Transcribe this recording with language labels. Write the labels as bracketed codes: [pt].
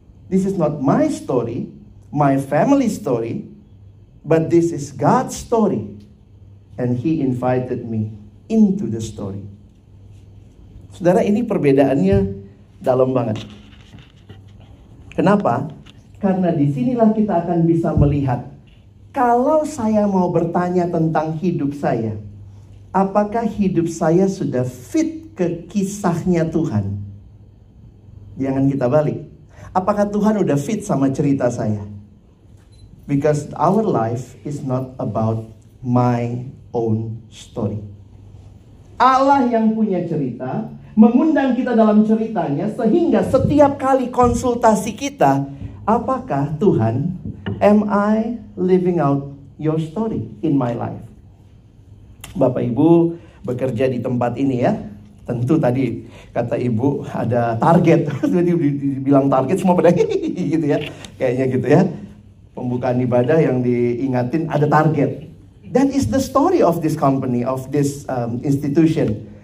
[en] This is not my story, my family story, but this is God's story. And he invited me into the story. [id] Saudara, ini perbedaannya dalam banget. Kenapa? Karena disinilah kita akan bisa melihat, kalau saya mau bertanya tentang hidup saya, apakah hidup saya sudah fit ke kisahnya Tuhan? Jangan kita balik. Apakah Tuhan udah fit sama cerita saya? [en] Because our life is not about my own story. [id] Allah yang punya cerita, mengundang kita dalam ceritanya, sehingga setiap kali konsultasi kita, apakah Tuhan, [en] am I living out your story in my life? [id] Bapak Ibu bekerja di tempat ini ya. Tentu tadi kata Ibu ada target. Jadi dibilang target semua pada gitu ya. Kayaknya gitu ya. Pembukaan ibadah yang diingatin ada target. [en] That is the story of this company, of this institution.